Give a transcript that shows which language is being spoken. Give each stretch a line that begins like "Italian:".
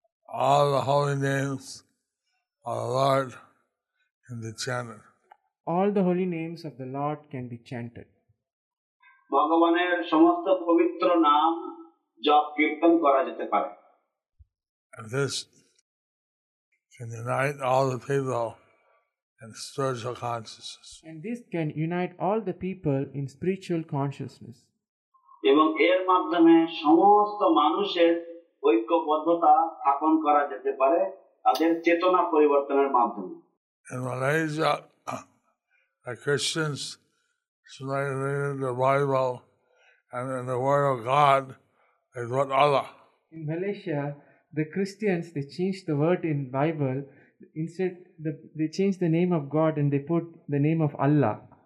English: All the holy names of the Lord can be chanted. All the holy names of the Lord can be chanted.
Bangla: ভগবানের সমস্ত পবিত্র নাম জপ কীর্তন করা যেতে পারে।
English: And this can unite all the people in spiritual consciousness. And this can unite all the people in spiritual consciousness.
Bangla: এবং এর মাধ্যমে সমস্ত মানুষের ঐক্যবদ্ধতা স্থাপন করা যেতে পারে তাদের চেতনা পরিবর্তনের মাধ্যমে।
English: In Malaysia, the Christians translated the Bible and in the word of God they wrote Allah. In Malaysia, the Christians they changed the word in Bible instead they changed the name of God and they put the name of Allah.